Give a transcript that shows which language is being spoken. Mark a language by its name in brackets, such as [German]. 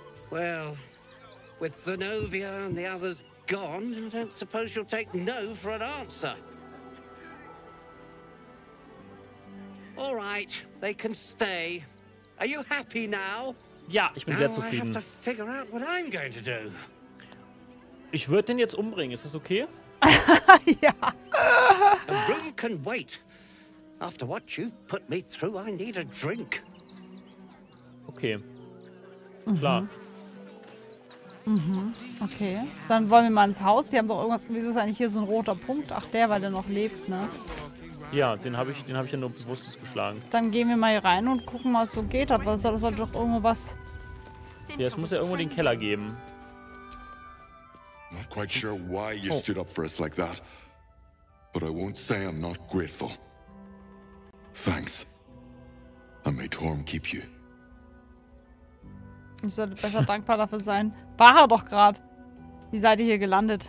[English] Well, with Zenobia and the others gone, I don't suppose you'll take no for an answer. All right, they can stay. Are you happy now? [German] Ja, ich bin [English] now [German] sehr zufrieden. [English] I have to figure out what I'm going to do. [German] Ich würde den jetzt umbringen, ist das okay? Ja! [English] The room can wait. After what you've put me through, I need a drink. [German] Okay. Klar. Okay. Dann wollen wir mal ins Haus. Die haben doch irgendwas. Wieso ist eigentlich hier so ein roter Punkt? Ach, der, weil der noch lebt, ne? Ja, den hab ich ja nur bewusst geschlagen. Dann gehen wir mal hier rein und gucken, was so geht. Aber da soll doch irgendwo was. Ja, es muss ja irgendwo den Keller geben. [English] Not quite sure why you stood up for us like that. But I won't say I'm not grateful. Thanks. I may Torm keep you. [German] Ich sollte besser dankbar dafür sein. War er doch gerade. Wie seid ihr hier gelandet?